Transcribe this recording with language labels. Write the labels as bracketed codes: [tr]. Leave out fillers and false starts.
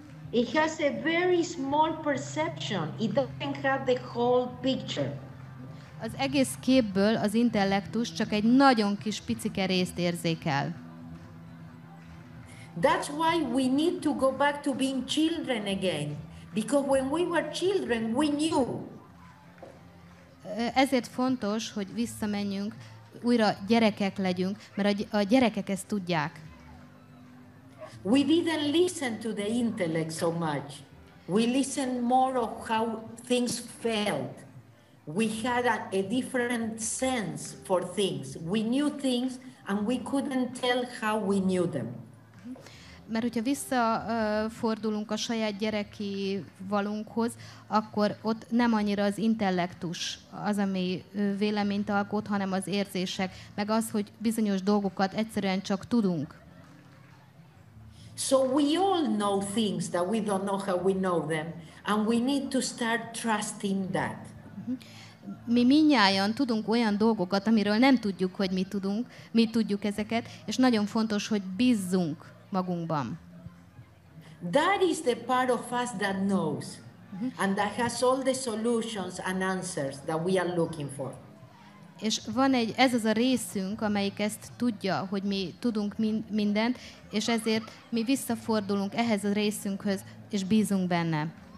[en] It has a very small perception. It doesn't have the whole picture. [hu] Az egész képből az intellektus csak egy nagyon kis picike részt érzékel. [en] That's why we need to go back to being children again. Because when we were children, we knew. [hu] Ezért fontos, hogy visszamenjünk, újra gyerekek legyünk, mert a gyerekek ezt tudják. [en] We didn't listen to the intellect so much. We listened more of how things felt. We had a different sense for things. We knew things and we couldn't tell how we knew them. [hu] Mert hogyha visszafordulunk a saját gyereki valunkhoz, akkor ott nem annyira az intellektus az, ami véleményt alkot, hanem az érzések, meg az, hogy bizonyos dolgokat egyszerűen csak tudunk. [en] So we all know things that we don't know how we know them, and we need to start trusting that. [hu] Mi mindnyájan tudunk olyan dolgokat, amiről nem tudjuk, hogy mi tudunk, mi tudjuk ezeket, és nagyon fontos, hogy bízzunk magunkban. [en] That is the part of us that knows, and that has all the solutions and answers that we are looking for. [hu] És van egy, ez az a részünk, amelyik ezt tudja, hogy mi tudunk mindent, és ezért mi visszafordulunk ehhez a részünkhöz, és bízunk benne.